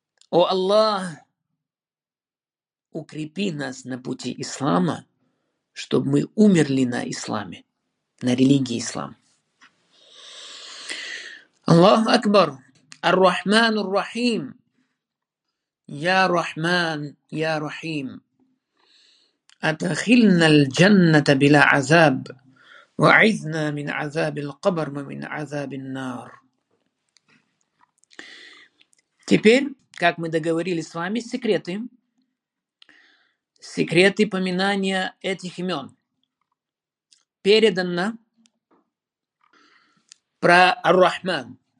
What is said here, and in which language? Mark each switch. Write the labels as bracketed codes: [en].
[ru] О Аллах, укрепи нас на пути ислама, чтобы мы умерли на исламе, на религии ислам. [ar] Аллаху Акбар, ар-Рахман ар-Рахим, я Рахман, я Рахим. أدخلنا الجنة بلا عذاب وعذنا من عذاب القبر ومن عذاب النار. [ru] Теперь, как мы договорились с вами, секреты. Секреты поминания этих имен. Передано про Ар-Рахман.